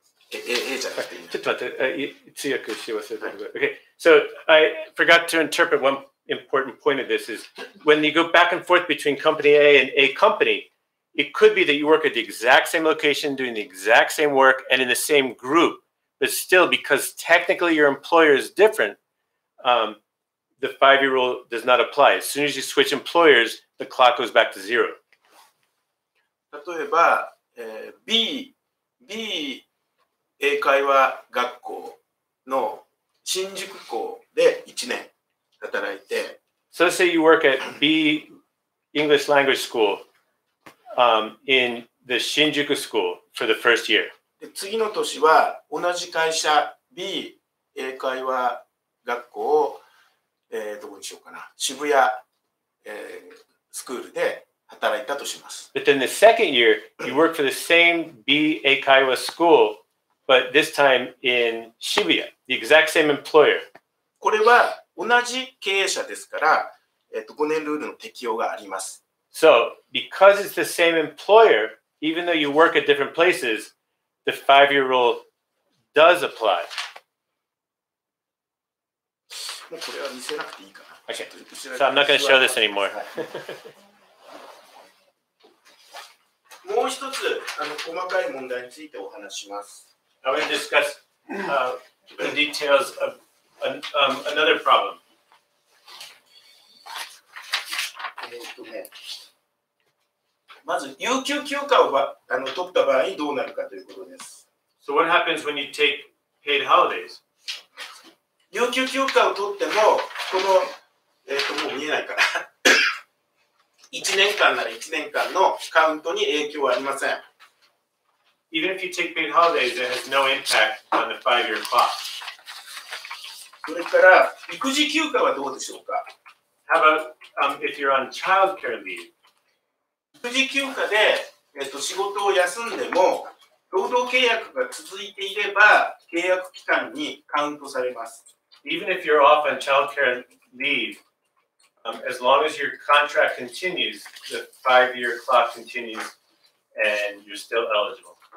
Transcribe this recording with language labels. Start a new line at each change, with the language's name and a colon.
Japanese: ちょっと待って、通訳し忘れた。
English: Okay, so I forgot to interpret one important point of this is when you go back and forth between company A and A company,It could be that you work at the exact same location, doing the exact same work, and in the same group. But still, because technically your employer is different,the five-year rule does not apply. As soon as you switch employers, the clock goes back to zero.
Japanese: 例えば、B 英会話学校の新宿校で1年働いて。
English: So let's say you work at B English Language School. In the Shinjuku school for the first year.
Japanese: で次の年は同じ会社 B 英会話学校を、どこにしようかな渋谷、スクールで働いたとします。
English: But then the second year, you work for the same B 英会話 school, but this time in Shibuya, the exact same employer.
Japanese: これは同じ経営者ですから、5年ルールの適用があります。
English: So, because it's the same employer, even though you work at different places, the five-year rule does apply. Okay, so I'm not going to show this anymore.
Japanese: もう一つ、細かい問題についてお話します。
English: I want to discuss the details of another problem.
Japanese: まず、有給休暇を取った場合どうなるかということです。
English: So what happens when you take paid holidays?
Japanese: 有給休暇を取っても、この、もう見えないから、1年間なら1年間のカウントに影響はありません。
English: Even if you take paid holidays, it has no impact on the five-year clock.
Japanese: それから育児休暇はどうでしょうか。
English: How about if you're on child care leave?
Japanese: 育児休暇で、仕事を休んでも労働契約が続いていれば契約期間にカウントされます。
English: Even if you're off on child care leave, as long as your contract continues, the five-year clock continues, and you're still eligible.